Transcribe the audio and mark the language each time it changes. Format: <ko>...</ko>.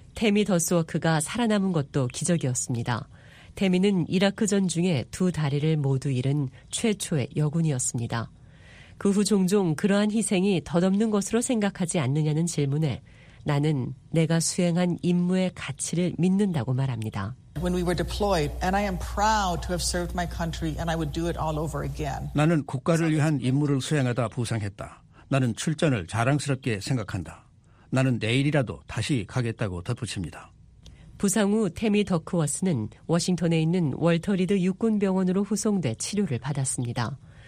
<ko>태미 더스워크가 살아남은 것도 기적이었습니다. 태미는 이라크전 중에 두 다리를 모두 잃은 최초의 여군이었습니다. 그 후 종종 그러한 희생이 덧없는 것으로 생각하지 않느냐는 질문에 나는 내가 수행한 임무의 가치를 믿는다고 말합니다.</ko> <en>When we were deployed, and I am proud to have served my country, and I would do it all over again.</en> <ko>나는 국가를 위한 임무를 수행하다 부상했다. 나는 출전을 자랑스럽게 생각한다. 나는 내일이라도 다시 가겠다고 덧붙입니다. 부상 후 태미 더크워스는 워싱턴에 있는 월터 리드 육군병원으로 후송돼 치료를 받았습니다.</ko>